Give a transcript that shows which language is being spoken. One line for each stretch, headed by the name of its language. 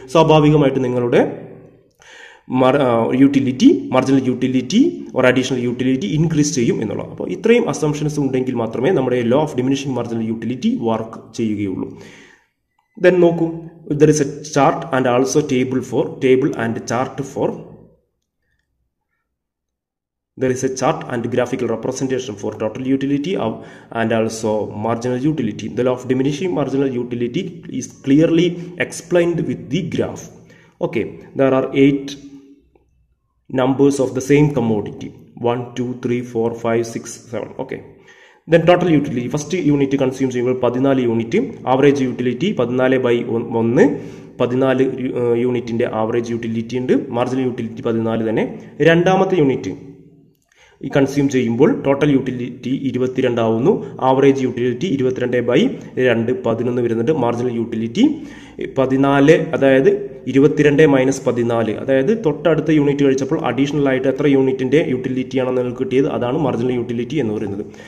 Malayalam: സ്വാഭാവികമായിട്ടും നിങ്ങളുടെ utility, marginal utility or additional utility increase ചെയ്യും എന്നുള്ളത്. അപ്പോൾ ഇത്രയും അസംഷൻസ് ഉണ്ടെങ്കിൽ മാത്രമേ നമ്മുടെ law of diminishing marginal utility work ചെയ്യുകയുള്ളൂ.
English: Then നോക്കും, there is a chart and also table and chart for There is a chart and graphical representation for total utility of and also marginal utility. The law of diminishing marginal utility is clearly explained with the graph. Okay, there are 8 numbers of the same commodity. 1, 2, 3, 4, 5, 6, 7. Okay. Then total utility. First unit consumes 14 unit. Average utility 14 by 1. 14 unit in the average utility and marginal utility 14.
Malayalam: Randamath unit. ഈ consume ചെയ്യുമ്പോൾ total utility 22 ആവുന്നു. Average utility 22/2 11 വരുന്നുണ്ട്. Marginal utility 14, അതായത് 22-14, അതായത് തൊട്ടടുത്ത unit കഴിച്ചപ്പോൾ additional ആയിട്ട് എത്ര യൂണിറ്റിൻ്റെ യൂട്ടിലിറ്റിയാണ് നിങ്ങൾക്ക് കിട്ടിയത്, അതാണ് മാർജിനൽ യൂട്ടിലിറ്റി എന്ന് പറയുന്നത്.